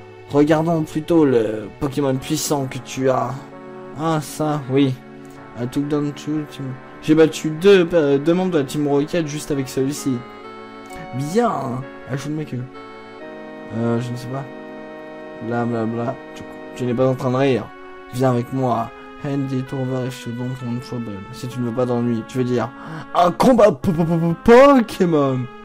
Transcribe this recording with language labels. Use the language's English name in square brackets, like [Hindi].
[French] Regardons plutôt le Pokémon puissant que tu as. Ah, ça, oui. [English] I took down two team. [French] J'ai battu deux membres de la Team Rocket juste avec celui-ci. Bien. Ajoute mec. Je ne sais pas. Bla bla bla. Tu n'es pas en train de rire. Viens avec moi. [English] Hand it over if you don't want trouble. [French] Si tu ne veux pas d'ennui, tu veux dire un combat Pokémon.